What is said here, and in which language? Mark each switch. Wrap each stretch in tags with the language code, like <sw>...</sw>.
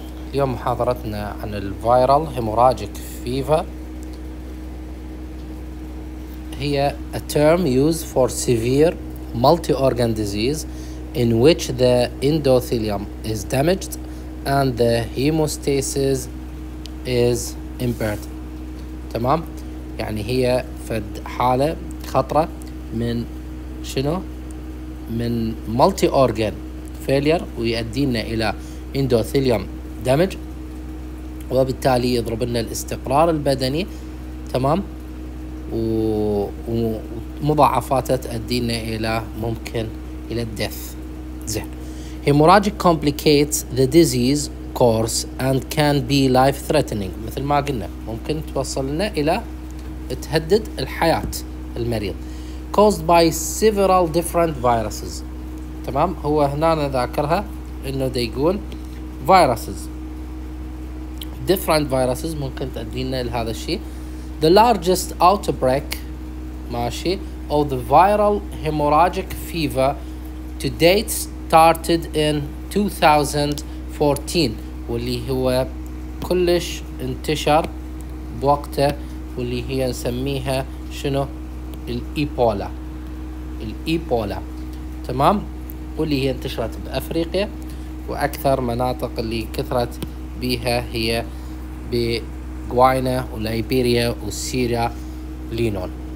<ar>اليوم محاضرتنا عن الفيرال هيموراجيك فيفا. هي</ar> <en>a term used for severe multi-organ disease in which the endothelium is damaged and the hemostasis is impaired.</en> <ar>تمام؟ يعني هي فد حالة خطرة من شنو؟ من multi-organ failure ويؤدينا إلى endothelium damage وبالتالي يضرب لنا الاستقرار البدني. تمام؟ ومضاعفاتها تؤدينا إلى ممكن إلى death. زين.</ar> <en>Hemorrhagic complicates the disease course and can be life-threatening.</en> <ar>مثل ما قلنا ممكن توصل لنا إلى تهدد الحياة المريض.</ar> <en>Caused by several different viruses.</en> <ar>تمام؟ هو هنا نذكرها إنه دي يقول viruses.</ar> <en>Different viruses</en> <ar>ممكن تؤدينا لهذا الشيء.</ar> <en>The largest outbreak,</en> <ar>ماشي,</ar> <en>of the viral hemorrhagic fever to date started in 2014.</en> <ar>واللي هو كلش انتشر بوقته واللي هي نسميها شنو؟ الإيبولا. الإيبولا. تمام؟ واللي هي انتشرت بأفريقيا وأكثر مناطق اللي كثرت بها هي بغوينا وليبيريا وسيرا لينون.</ar>